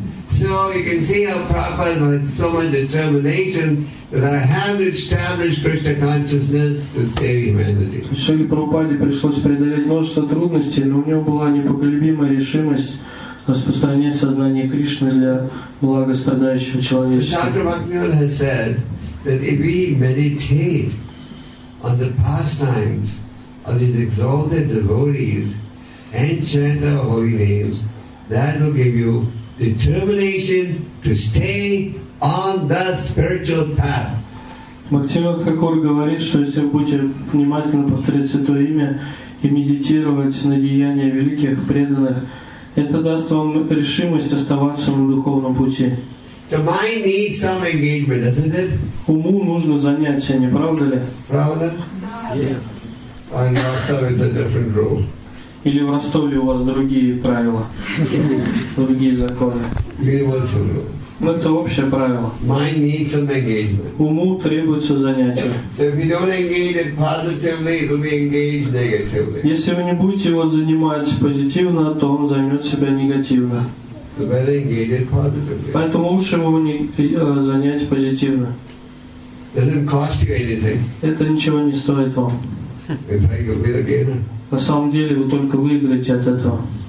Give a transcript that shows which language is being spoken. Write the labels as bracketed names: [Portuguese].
[English] So you can see how Prabhupada had so much determination that I have to establish Krishna consciousness to save humanity. [Russian] Шриле Прабхупаде пришлось преодолеть множество трудностей, но у него была непоколебимая решимость распространять сознание Кришны для блага страдающего человечества. [English] Dr. Bhaktivinoda has said that if we meditate on the pastimes of these exalted devotees and chant our holy names, that will give you determination to stay on the spiritual path. [Russian] Бхактивинода Тхакур говорит, что если вы будете внимательно повторять святое имя и медитировать на деяния великих преданных, это даст вам решимость оставаться на духовном пути. [English] So mind needs some engagement, doesn't it? [Russian] Уму нужно занятие, не правда ли? Правда? [English] Yes. And also it's a different role. [Russian] Или в Ростове у вас другие правила, другие законы? [English] Universal. [Russian] Ну, это общее правило. [English] Mind needs some engagement. [Russian] Уму требуется занятие. [English] So if you don't engage it positively, it will be engaged negatively. [Russian] Если вы не будете его занимать позитивно, то он займет себя негативно. [English] So better engage it positively. [Russian] Поэтому лучше его занять позитивно. [English] Doesn't cost you anything. [Russian] Это ничего не стоит вам. [English] In fact, you'll be the gainer. [Russian] На самом деле вы только выиграете от этого.